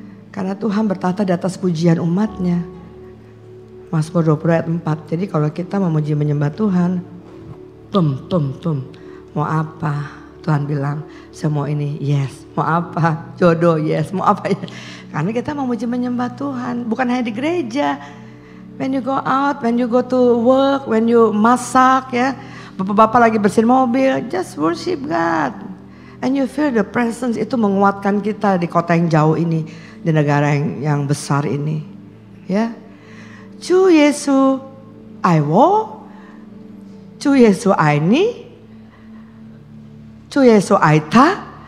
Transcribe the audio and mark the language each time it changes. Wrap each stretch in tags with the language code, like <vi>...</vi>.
<id>Karena Tuhan bertahta di atas pujian umatnya. Mazmur 20 ayat 4, jadi kalau kita memuji menyembah Tuhan, tum, tum, tum, mau apa? Tuhan bilang, saya mau ini, yes. Mau apa? Jodoh, yes. Mau apa? Karena kita memuji menyembah Tuhan, bukan hanya di gereja.</id> <en>When you go out, when you go to work, when you masak,</en> <id>ya, bapak-bapak lagi bersihin mobil,</id> <en>just worship God. And you feel the presence,</en> <id>itu menguatkan kita di kota yang jauh ini, di negara yang besar ini. Ya. Cu Yesu, I wo. Cu Yesu, I ni. Cu Yesu, I ta.</id>